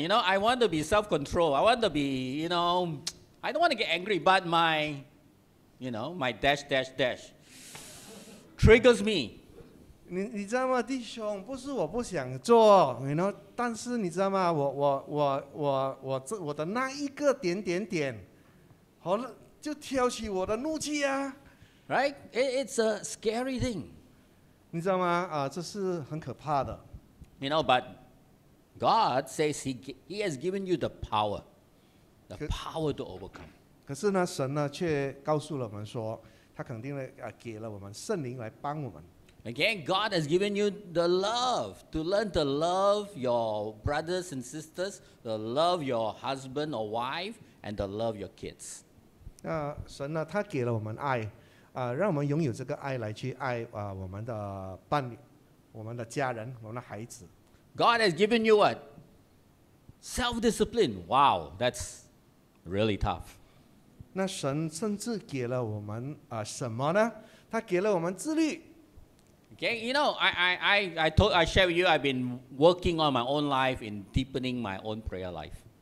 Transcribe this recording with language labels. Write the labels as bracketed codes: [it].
[en] You know, I want to be self-control. I want to be, you know, I don't want to get angry. But my, you know, my dash dash dash triggers me. [zh] 你知道吗，弟兄？不是我不想做 ，you know. 但是你知道吗？我的那一个点点点，好了，就挑起我的怒气啊。 [en] Right? It's a scary thing. [zh] 你知道吗？这是很可怕的。 [en] You know, but God says He has given you the power to overcome. [zh] 可是呢，神呢却告诉了我们说，他肯定呢给了我们圣灵来帮我们。 [en] Again, God has given you the love to learn to love your brothers and sisters, to love your husband or wife, and to love your kids. [zh] 那神呢，他给了我们爱。让我们拥有这个爱来去爱我们的伴侣，我们的家人，我们的孩子。 [en] God has given you what? Self-discipline. Wow, that's really tough. [zh] 那神甚至给了我们什么呢？他给了我们自律。 [en] Okay, you know, I share with you, I've been working on my own life in deepening my own prayer life.